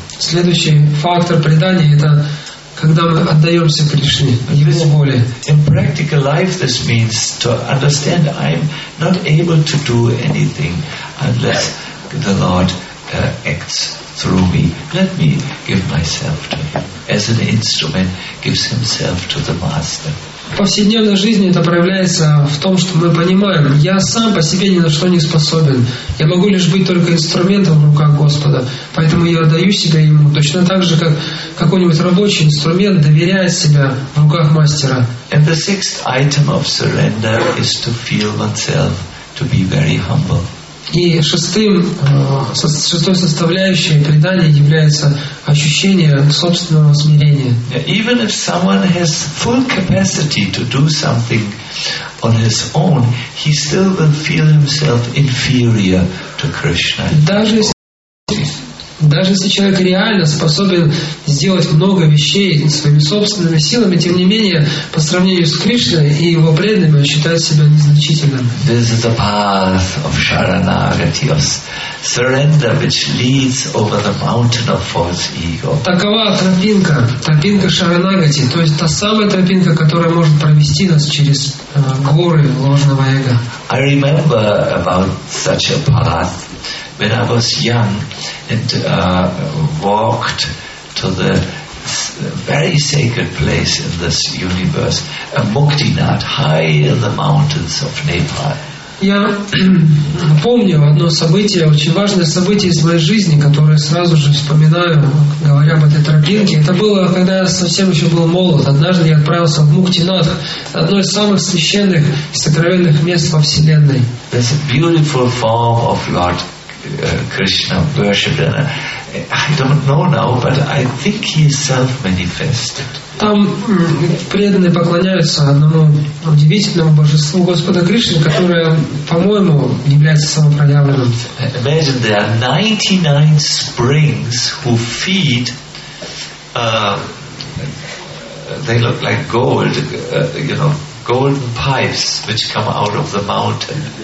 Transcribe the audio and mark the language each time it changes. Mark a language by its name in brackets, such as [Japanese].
[Russian] Следующий фактор предания — это когда мы отдаемся Кришне, Его воле. [English] In practical life, this means to understand I'm not able to do anything unless the Lord acts through me. Let me give myself to Him as an instrument, gives Himself to the Master. [Russian] В повседневной жизни это проявляется в том, что мы понимаем, я сам по себе ни на что не способен. Я могу лишь быть только инструментом в руках Господа. Поэтому я отдаю себя Ему, точно так же, как какой-нибудь рабочий инструмент доверяет себя в руках мастера. [English] And the sixth item of surrender is to feel oneself to be very humble. [Russian] И шестой составляющей предания является ощущение собственного смирения. [English] Even if someone has full capacity to do something on his own, he still will feel himself inferior to Krishna. [Russian] Даже если человек реально способен сделать много вещей своими собственными силами, тем не менее, по сравнению с Кришной и его преданными, он считает себя незначительным. [English] This is the path of Sharanagati, of surrender, which leads over the mountain of false ego. [Russian] Такова тропинка Шаранагати, то есть та самая тропинка, которая может провести нас через горы ложного эго. [English] I remember about such a path when I was young and walked to the very sacred place in this universe, a Muktinath, high in the mountains of Nepal. [Russian] Я помню одно событие, очень важное событие из моей жизни, которое сразу же вспоминаю, говоря об этой тропинке. Это было, когда я совсем еще был молод. Однажды я отправился в Муктинат, одно из самых священных и сокровенных мест во Вселенной. [English] That's a beautiful form of Lord Krishna worship. I don't know now, but I think he is self-manifested. [Russian] Там преданные поклоняются одному удивительному божеству Господа Кришне, которое, по-моему, является самопроявленным. [English] Imagine there are 99 springs who feed. They look like gold, you know, golden pipes which come out of the mountain.